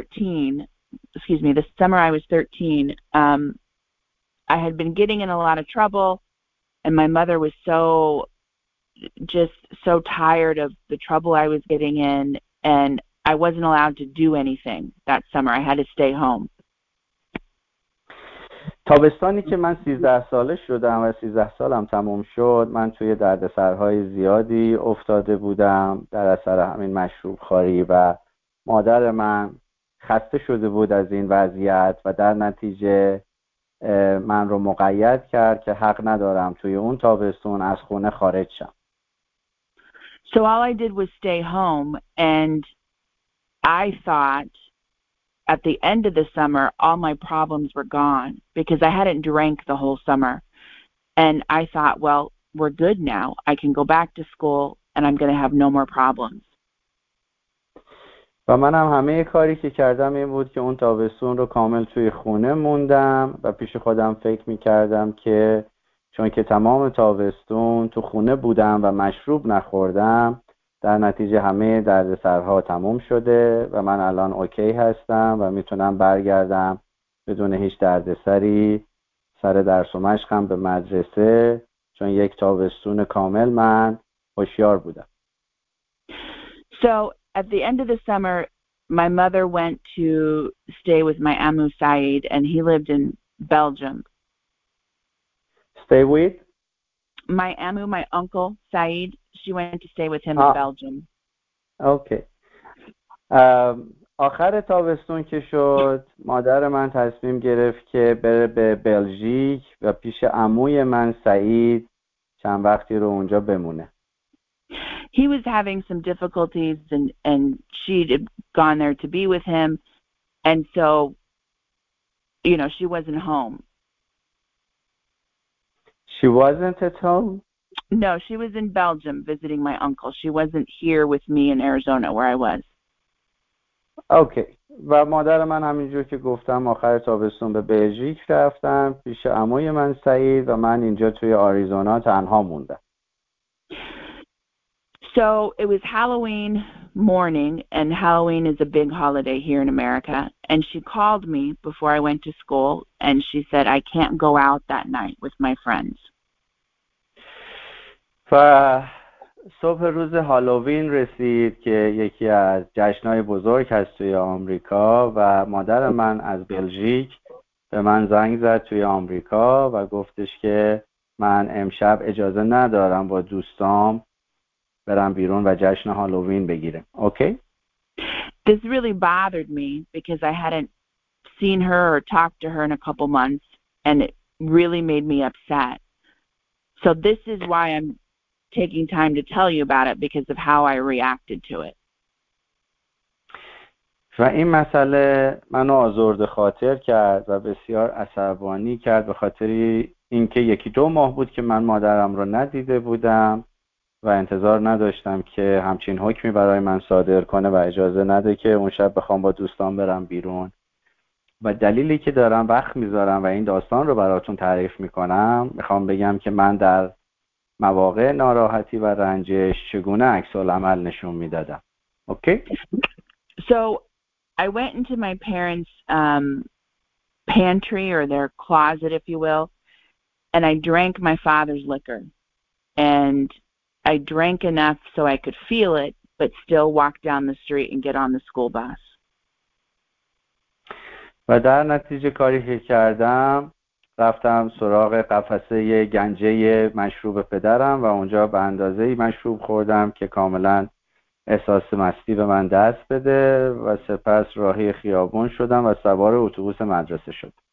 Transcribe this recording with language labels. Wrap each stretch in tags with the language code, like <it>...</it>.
<en>The summer I was 13, I had been getting in a lot of trouble, and my mother was so tired of the trouble I was getting in, and I wasn't allowed to do anything that summer. I had to stay home.</en> <fa>تابستانی که من 13 ساله شدم و 13 سالم تموم شد، من توی دردسرهای زیادی افتاده بودم در اثر همین مشروب خاری و مادر من خسته شده بود از این وضعیت و در نتیجه من رو مقید کرد که حق ندارم توی اون تابستون از خونه خارج شم.</fa> <en>So all I did was stay home and I thought at the end of the summer all my problems were gone because I hadn't drank the whole summer and I thought, well, we're good now. I can go back to school and I'm going to have no more problems.</en> <fa>و منم همه کاری که کردم این بود که اون تابستون رو کامل توی خونه موندم و پیش خودم فکر می‌کردم که چون که تمام تابستون تو خونه بودم و مشروب نخوردم در نتیجه همه دردسرها تموم شده و من الان اوکی هستم و میتونم برگردم بدون هیچ دردسری سر درس و مشقم به مدرسه چون یک تابستون کامل من هوشیار بودم.</fa> <en>So at the end of the summer my mother went to stay with my Amu Said and he lived in Belgium. Stay with? My Amu, my uncle Said, she went to stay with him in Belgium. Okay.</en> <fa>آخر تابستون که شد مادر من تصمیم گرفت که بره به بلژیک و پیش عموی من سعید چند وقتی رو اونجا بمونه.</fa> <en>He was having some difficulties and she'd gone there to be with him and so you know she wasn't home. She wasn't at home? No, she was in Belgium visiting my uncle. She wasn't here with me in Arizona where I was. Okay.</en> <fa>و مادر من همینجور که گفتم آخر تابستون به بلژیک رفتم پیش عموی من سعید و من اینجا توی آریزونا تنها موندم.</fa> <en>So it was Halloween morning and Halloween is a big holiday here in America and she called me before I went to school and she said I can't go out that night with my friends.</en> <fa>و صبح روز هالووین رسید که یکی از جشنهای بزرگ هست توی آمریکا و مادر من از بلژیک به من زنگ زد توی آمریکا و گفتش که من امشب اجازه ندارم با دوستام برم بیرون و جشن هالووین بگیرم.</fa> <en>Okay? This really bothered me because I hadn't seen her or talked to her in a couple months and it really made me upset. So this is why I'm taking time to tell you about it because of how I reacted to it.</en> <fa>و این مسئله منو آزرده خاطر کرد و بسیار عصبانی کرد به خاطر اینکه یکی دو ماه بود که من مادرم رو ندیده بودم و انتظار نداشتم که همچین حکمی برای من صادر کنه و اجازه نده که اون شب بخوام با دوستان برم بیرون. و دلیلی که دارم وقت میذارم و این داستان رو براتون تعریف میکنم، میخوام بگم که من در مواقع ناراحتی و رنجش چگونه عکس‌العمل نشون میدادم.</fa> <en>Okay? So I went into my parents' pantry or their closet, if you will, and I drank my father's liquor. And I drank enough so I could feel it, but still walk down the street and get on the school bus.</en> <fa>و در نتیجه کاری که کردم، رفتم سراغ قفسه گنجه مشروب پدرم و اونجا به اندازه مشروب خوردم که کاملاً احساس مستی به من دست بده و سپس راهی خیابون شدم و سوار اتوبوس مدرسه شدم.</fa>